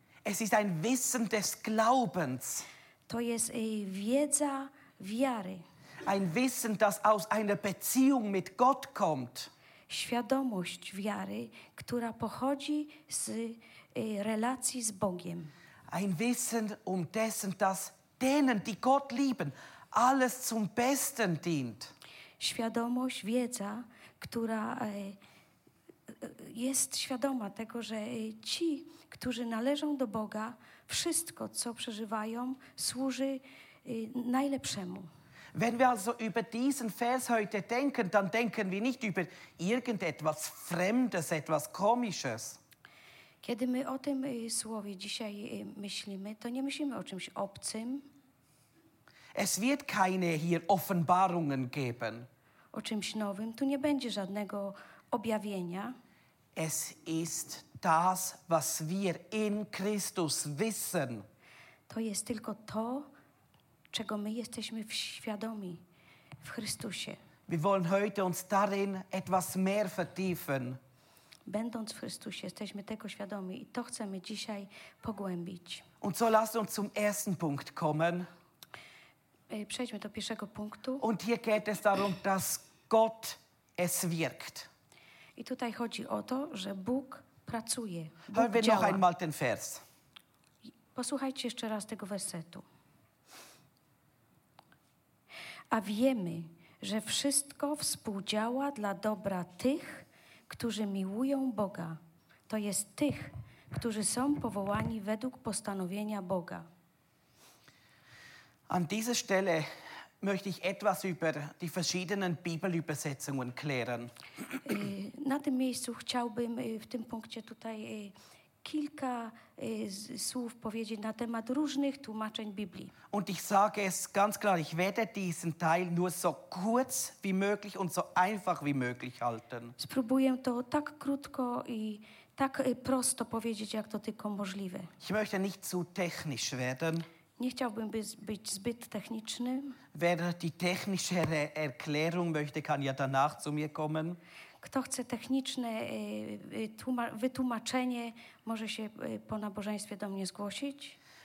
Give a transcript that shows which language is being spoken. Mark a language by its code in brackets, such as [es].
[de] Es ist ein Wissen des Glaubens. [pl] To jest wiedza wiary. [de] Ein Wissen, das aus einer Beziehung mit Gott kommt. [pl] Świadomość wiary, która pochodzi z relacji z Bogiem. [de] Ein Wissen um dessen, dass denen, die Gott lieben, alles zum Besten dient. [pl] Świadomość, wiedza, która jest świadoma tego, że ci, którzy należą do Boga, wszystko, co przeżywają, służy najlepszemu. [de] Wenn wir also über diesen Vers heute denken, dann denken wir nicht über irgendetwas Fremdes, etwas Komisches. [pl] Kiedy my o tym słowie dzisiaj myślimy, to nie myślimy o czymś obcym. [de] Es wird keine hier Offenbarungen geben. [pl] O czymś nowym, tu nie będzie żadnego objawienia. [de] Es ist das, was wir in Christus wissen. [pl] To jest tylko to, czego my jesteśmy świadomi w Chrystusie. [de] Wir wollen heute uns darin etwas mehr vertiefen. [pl] Będąc w Chrystusie, jesteśmy tego świadomi i to chcemy dzisiaj pogłębić. [de] Und so lasst uns zum ersten Punkt kommen. [pl] Przejdźmy do pierwszego punktu. [de] Und hier geht es darum, dass Gott es wirkt. [pl] I tutaj chodzi o to, że Bóg pracuje. [de] Hören wir noch einmal den Vers. [pl] Posłuchajcie jeszcze raz tego wersetu. A wiemy, że wszystko współdziała dla dobra tych, którzy miłują Boga. To jest tych, którzy są powołani według postanowienia Boga. [de] An dieser Stelle möchte ich etwas über die verschiedenen Bibelübersetzungen klären. [pl] Na tym miejscu chciałbym w tym punkcie tutaj kilka słów powiedzieć na temat różnych tłumaczeń Biblii. [de] Und ich sage es ganz klar, ich werde diesen Teil nur so kurz wie möglich und so einfach wie möglich halten. [pl] Spróbuję to tak krótko i tak prosto powiedzieć, jak to tylko możliwe. [de] Ich möchte nicht zu technisch werden. [pl] Nie chciałbym być zbyt techniczny. [de] Wer die technischere Erklärung möchte, kann ja danach zu mir kommen. [pl] Kto chce techniczne wytłumaczenie, może się po nabożeństwie do mnie zgłosić.